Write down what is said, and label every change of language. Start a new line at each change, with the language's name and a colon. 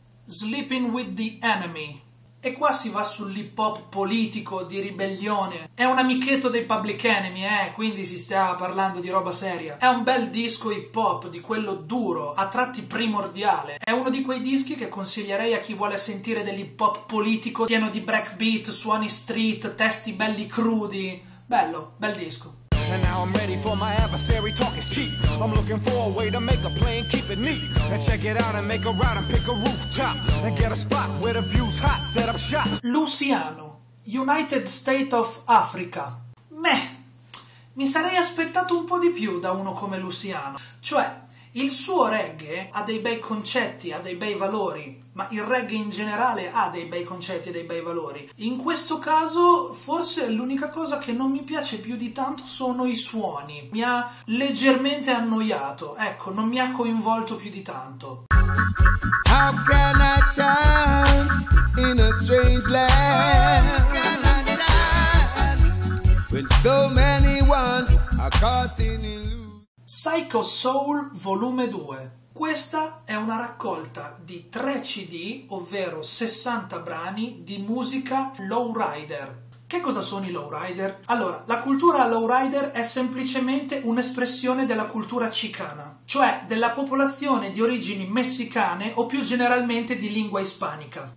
English: Sleeping with the Enemy.
Italian: E qua si va sull'hip hop politico, di ribellione. È un amichetto dei Public Enemy, quindi si sta parlando di roba seria. È un bel disco hip hop, di quello duro, a tratti primordiale. È uno di quei dischi che consiglierei a chi vuole sentire dell'hip hop politico, pieno di breakbeat, suoni street, testi belli crudi. Bello, bel disco.
English: And now I'm ready for my adversary, talk is cheap. I'm looking for a way to make a play and keep it neat. And check it out and make a ride and pick a rooftop. And get a spot where the view's hot, set up shop. Luciano, United States of Africa.
Italian: Meh, mi sarei aspettato un po' di più da uno come Luciano. Cioè, il suo reggae ha dei bei concetti, ha dei bei valori. Ma il reggae in generale ha dei bei concetti e dei bei valori. In questo caso, forse l'unica cosa che non mi piace più di tanto sono i suoni. Mi ha leggermente annoiato, ecco, non mi ha coinvolto più di tanto.
English: How can I chant in a strange land? How can I chant when so many ones are caught in illusion? Psycho Soul Volume 2.
Italian: Questa è una raccolta di 3 CD, ovvero 60 brani, di musica lowrider. Che cosa sono i lowrider? Allora, la cultura lowrider è semplicemente un'espressione della cultura chicana, cioè della popolazione di origini messicane o più generalmente di lingua ispanica.